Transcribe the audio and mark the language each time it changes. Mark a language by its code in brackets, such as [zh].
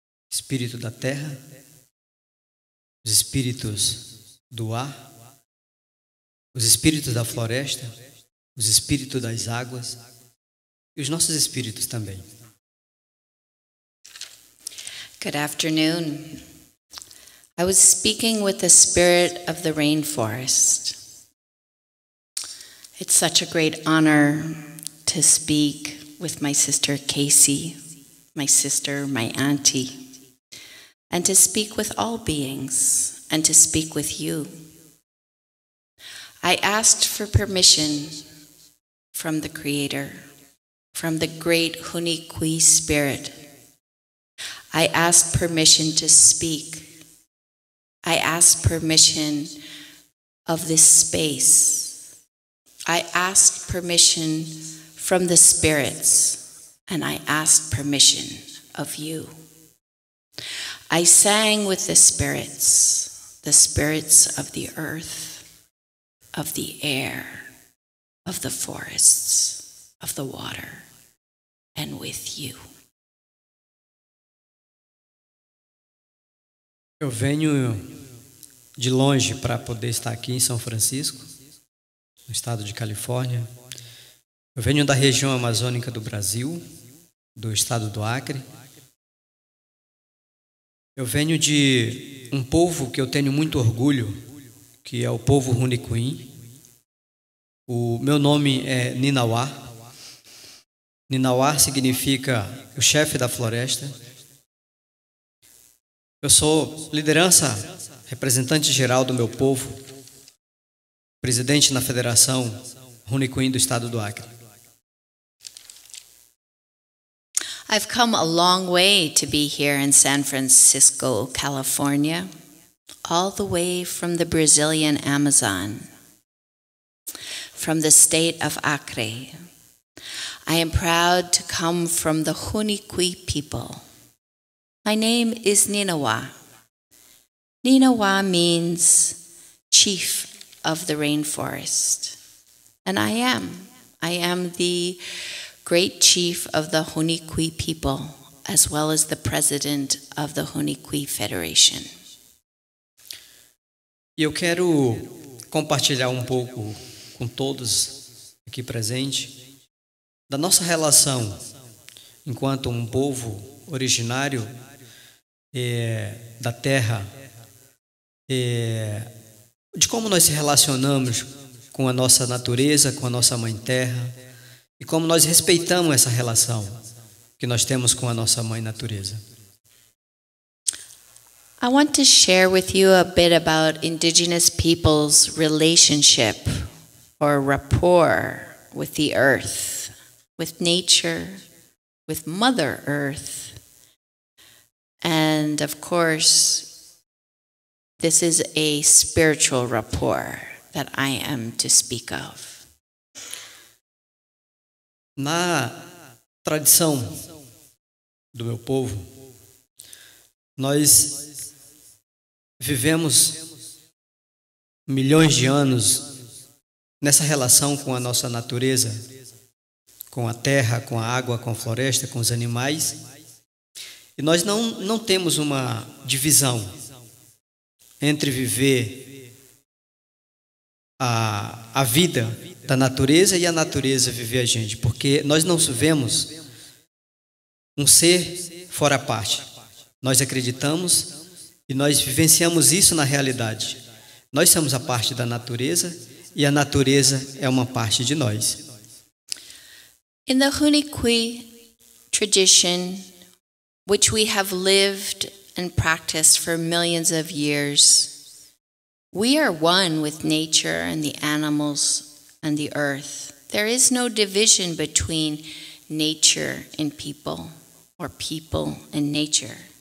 [pt] Espírito da terra, os espíritos do ar, os espíritos da floresta, os espíritos das águas e os nossos espíritos também. [en] Good afternoon. I was speaking with the spirit of the rainforest. It's such a great honor to speak with my sister Casey, my sister, my auntie, and to speak with all beings, and to speak with you. I asked for permission from the Creator, from the great Hunikui spirit. I ask permission to speak. I ask permission of this space. I ask permission from the spirits, and I ask permission of you. I sang with the spirits of the earth, of the air, of the forests, of the water, and with you. [pt] Eu venho de longe para poder estar aqui em São Francisco, no estado de Califórnia. Eu venho da região amazônica do Brasil, do estado do Acre. Eu venho de um povo que eu tenho muito orgulho, que é o povo Runicuim. O meu nome é Ninauá. Ninauá significa o chefe da floresta. Eu sou liderança, representante geral do meu povo, presidente na Federação Runicuim do Estado do Acre. [en] I've come a long way to be here in San Francisco, California, all the way from the Brazilian Amazon, from the state of Acre. I am proud to come from the Runicui people. My name is Ninauá. Ninauá means chief of the rainforest. And I am. I am the great chief of the Runicui people, as well as the president of the Runicui Federation. [pt] Eu quero compartilhar um pouco com todos aqui presentes da nossa relação enquanto povo originário da terra, de como nós nos relacionamos com a nossa natureza, com a nossa mãe terra, e como nós respeitamos essa relação que nós temos com a nossa mãe natureza. [en] I want to share with you a bit about Indigenous people's relationship or rapport with the earth, with nature, with Mother Earth. And of course, this is a spiritual rapport that I am to speak of. [pt] Na tradição do meu povo, nós vivemos milhões de anos nessa relação com a nossa natureza, com a terra, com a água, com a floresta, com os animais. E nós não temos uma divisão entre viver a vida da natureza e a natureza viver a gente, porque nós não vemos um ser fora a parte. Nós acreditamos e nós vivenciamos isso na realidade. Nós somos a parte da natureza e a natureza é uma parte de nós. [en] In the Hunikwi tradition, which we have lived and practiced for millions of years, we are one with nature and the animals and the earth. There is no division between nature and people or people and nature.